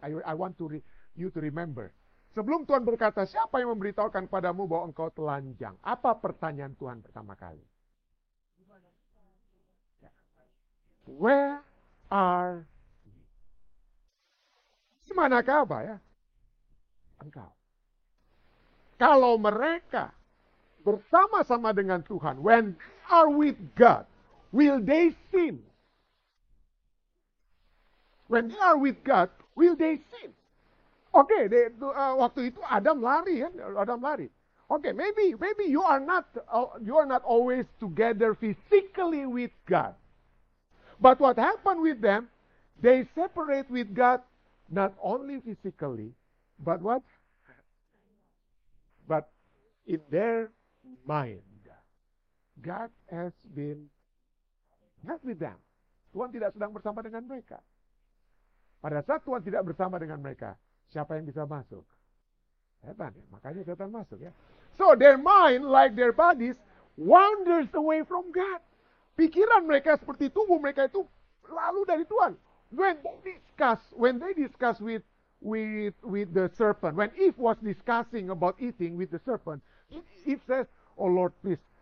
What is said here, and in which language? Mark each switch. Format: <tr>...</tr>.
<en>I want to you to remember.</en> <id>Sebelum Tuhan berkata, siapa yang memberitahukan padamu bahwa engkau telanjang? Apa pertanyaan Tuhan pertama kali?</id> <en>Where are you?</en> <id>Di manakah apa ya? Engkau. Kalau mereka bersama-sama dengan Tuhan,</id> <en>when they are with God, will they sin? When they are with God, will they sin? Oke, okay,</en> <id>waktu itu Adam lari, kan? Adam lari.</id> <en>Okay, maybe you are not always together physically with God. But what happened with them? They separate with God, not only physically, but what? But in their mind, God has been not with them.</en> <id>Tuhan tidak sedang bersama dengan mereka. Pada saat Tuhan tidak bersama dengan mereka, siapa yang bisa masuk? Setan. Makanya setan masuk ya.</id> <en>So their mind, like their bodies, wanders away from God.</en> <id>Pikiran mereka seperti tubuh mereka itu lalu dari Tuhan.</id> <en>When they discuss with the serpent, when Eve was discussing about eating with the serpent, Eve says, "Oh Lord, please."</en>